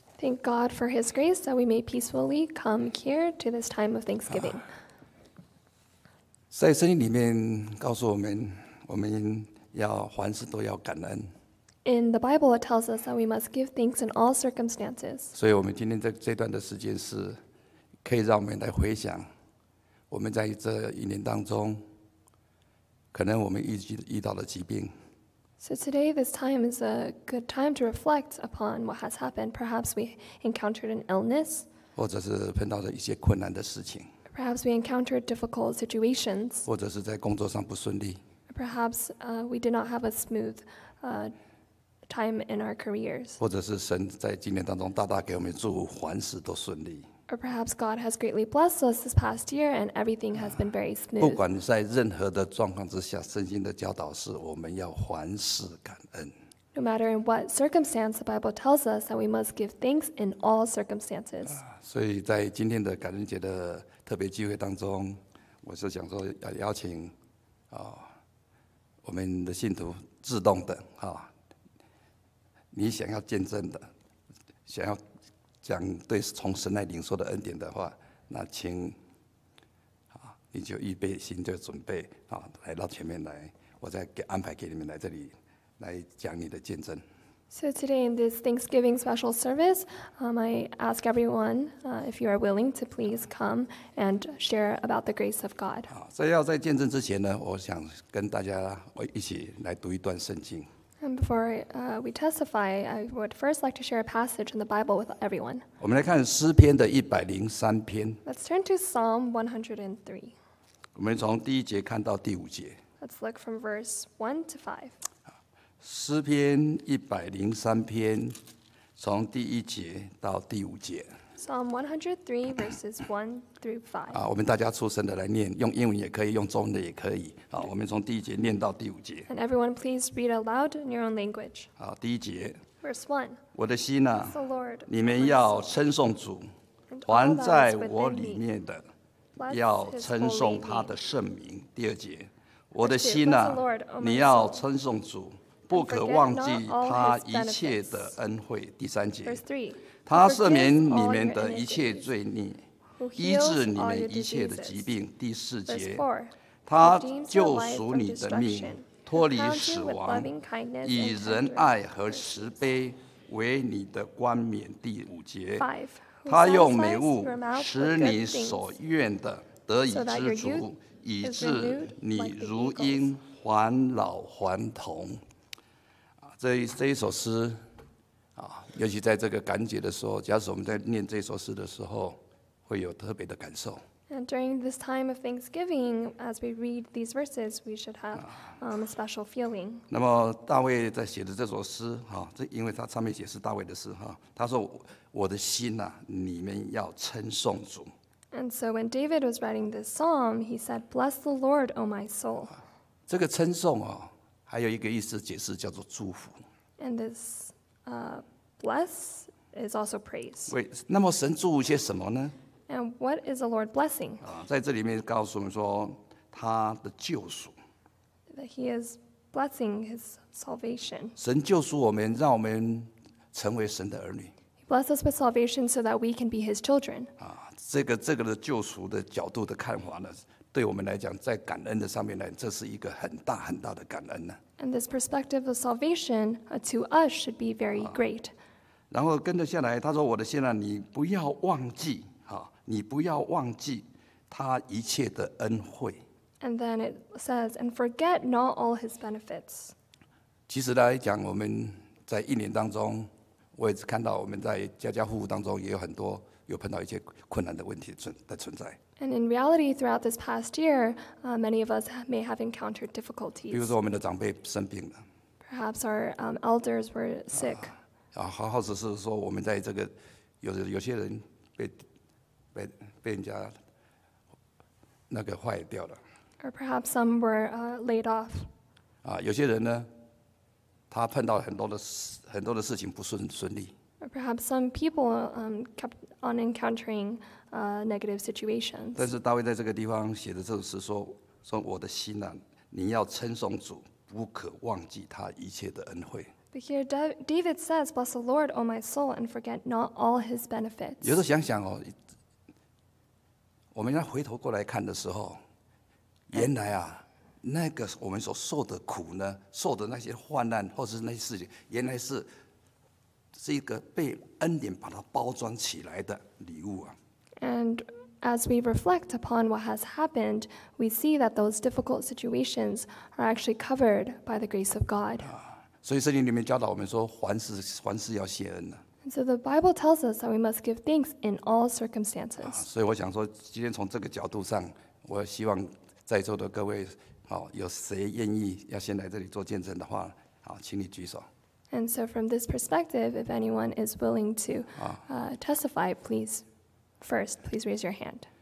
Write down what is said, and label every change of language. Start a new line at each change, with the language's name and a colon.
English: Thank God for His grace that we may peacefully come here to this time of Thanksgiving.
Chinese: 在圣经里面告诉我们，我们要凡事都要感恩。
English: In the Bible, it tells us that we must give thanks in all circumstances.
Chinese: 所以我们今天这段的时间是可以让我们来回想，我们在这一年当中，可能我们遇到的疾病。
English: So today, this time is a good time to reflect upon what has happened. Perhaps we encountered an illness.
Chinese: 或者是碰到了一些困难的事情。
English: Perhaps we encountered difficult situations.
Chinese: 或者是在工作上不顺利。
English: Perhaps we did not have a smooth time in our careers.
Chinese: 或者是神在今年当中大大给我们祝福，凡事都顺利。
English: Or perhaps God has greatly blessed us this past year and everything has been very smooth.
Chinese: 不管在任何的状况之下，圣经的教导是我们要凡事感恩。
English: No matter in what circumstance, the Bible tells us that we must give thanks in all circumstances.
Chinese: 所以在今天的感恩节的特别机会当中，我是想说要邀请我们的信徒自动的你想要见证的，想要讲对从神来领受的恩典的话，那请你就预备心，就准备来到前面来，我再给安排给你们来这里来讲你的见证。
English: So today in this Thanksgiving special service, I ask everyone if you are willing to please come and share about the grace of God.
Chinese: 所以要在见证之前呢，我想跟大家一起来读一段圣经。
English: And before we testify, I would first like to share a passage in the Bible with everyone.
Chinese: 我们来看诗篇的103篇。
English: Let's turn to Psalm 103.
Chinese: 我们从第一节看到第五节。
English: Let's look from verse 1 to 5.
Chinese: 诗篇一百零三篇，从第一节到第五节。
English: Psalm 103 verses 1 through 5.
Chinese: 我们大家出声的来念，用英文也可以，用中文的也可以。我们从第一节念到第五节。
English: And everyone, please read aloud in your own language.
Chinese: 好，第一节。
English: Verse 1.
Chinese: 我的心啊，你们要称颂主，凡在我里面的，要称颂他的圣名。第二节，我的心啊，你要称颂主。不可忘记他一切的恩惠。第三节，他赦免你们的一切罪孽，医治你们一切的疾病。第四节，他救赎你的命，脱离死亡，以仁爱和慈悲为你的冠冕。第五节，他用美物使你所愿的得以知足，以致你如鹰返老还童。这一首诗，尤其在这个感恩节的时候，假使我们在念这首诗的时候，会有特别的感受。
English: And during this time of Thanksgiving, as we read these verses, we should have a special feeling.
Chinese: 那么大卫在写的这首诗，因为他上面写是大卫的诗，他说：“我的心啊，你们要称颂主。”
English: And so when David was writing this psalm, he said, "Bless the Lord, O my soul."
Chinese: 这个称颂还有一个意思解释叫做祝福。
English: And this bless is also praise.
Chinese: 那么神祝福些什么呢？
English: And what is the Lord blessing?
Chinese: 在这里面告诉我们说他的救赎。
English: That he is blessing his salvation.
Chinese: 神救赎我们，让我们成为神的儿女。
English: He blesses us with salvation so that we can be his children.
Chinese: 这个的救赎的角度的看法呢，对我们来讲，在感恩的上面来，这是一个很大很大的感恩。
English: And this perspective of salvation to us should be very great.
Chinese: 然后跟着下来，他说：“我的心啊，你不要忘记，你不要忘记他一切的恩惠。”
English: And then it says, "And forget not all his benefits."
Chinese: 其实来讲，我们在一年当中，我也看到我们在家家户户当中也有很多有碰到一些困难的问题的存在。
English: And in reality, throughout this past year, many of us may have encountered difficulties.
Chinese: 比如说我们的长辈生病了。
English: Perhaps our elders were sick.
Chinese: 或者是说我们在这个有些人被人家那个坏掉了。
English: Or perhaps some were laid off.
Chinese: 有些人呢，他碰到很多的事情不顺利。
English: Or perhaps some people kept on encountering negative situations.
Chinese: 但是大卫在这个地方写的这首诗说：“我的心啊，你要称颂主，不可忘记他一切的恩惠。
English: But here David says, "Bless the Lord, O my soul, and forget not all His benefits."
Chinese: 有时候想想哦，我们要回头过来看的时候，原来啊，那个我们所受的苦呢，受的那些患难或者是那些事情，原来是一个被恩典把它包装起来的礼物啊。
English: And as we reflect upon what has happened, we see that those difficult situations are actually covered by the grace of God.
Chinese: 所以圣经里面教导我们说，凡事要谢恩。
English: And so the Bible tells us that we must give thanks in all circumstances.
Chinese: 所以我想说，今天从这个角度上，我希望在座的各位，有谁愿意要先来这里做见证的话，请你举手。
English: And so from this perspective, if anyone is willing to testify, please raise your hand.